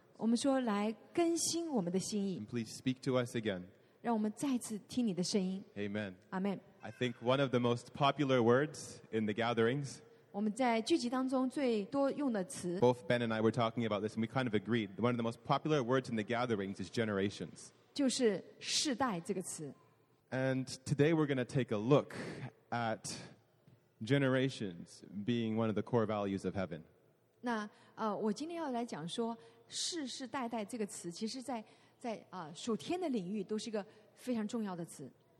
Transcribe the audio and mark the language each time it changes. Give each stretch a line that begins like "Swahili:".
Chinese: 我们说来更新我们的心意。
English: And please speak to us again.
Chinese: 让我们再次听你的声音。
English: Amen. Amen. I think one of the most popular words in the gatherings,
Chinese: 我们在聚集当中最多用的词,
English: both Ben and I were talking about this and we kind of agreed, one of the most popular words in the gatherings is generations.
Chinese: 就是世代这个词。
English: And today we're going to take a look at generations being one of the core values of heaven.
Chinese: 那我今天要来讲说, 世世代代这个词其实在属天的领域都是一个非常重要的词。